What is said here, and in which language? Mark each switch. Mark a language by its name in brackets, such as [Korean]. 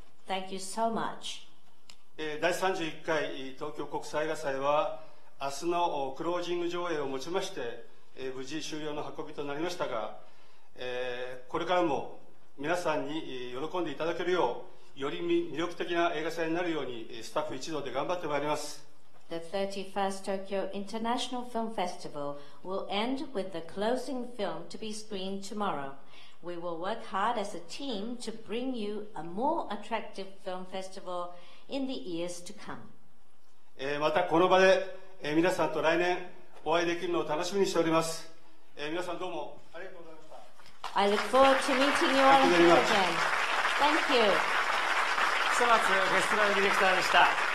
[English] Thank you so much. [Japanese] 第31回東京国際映画祭は明日のクロージング上映をもちまして無事終了の運びとなりましたが、これからも皆さんに喜んでいただけるようより魅力的な映画祭になるようにスタッフ一同で頑張ってまいります。 [English] The 31st Tokyo International Film Festival will end with the closing film to be screened tomorrow. We will work hard as a team to bring you a more attractive film festival in the years to come. [Japanese] またこの場で皆さんと来年お会いできるのを楽しみにしております。皆さんどうもありがとうございました。 [English] I look forward to meeting you all here again. Thank you. [Japanese] 久松フェスティバルディレクターでした。